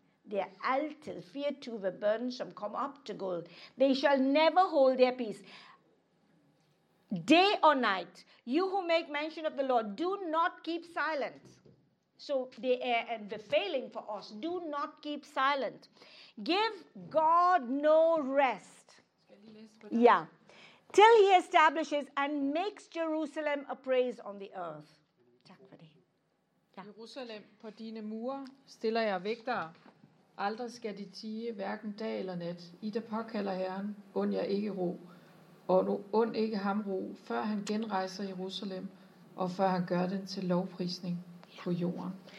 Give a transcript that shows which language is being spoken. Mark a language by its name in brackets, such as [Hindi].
[Danish] Det er altid 24 børn, som kommer op til Gud. [English] They shall never hold their peace. Day or night, you who make mention of the Lord, do not keep silent. So they are a befaling for us. Do not keep silent. Give God no rest. Ja. till he establishes and makes Jerusalem a praise on the earth. [Danish] Tak for det. Ja. Jerusalem, på dine mure stiller jeg vægtere. Aldrig skal de tige, hverken dag eller nat. I der påkalder Herren, und jer ikke ro, og und ikke ham ro, før han genrejser Jerusalem, og før han gør den til lovprisning på jorden.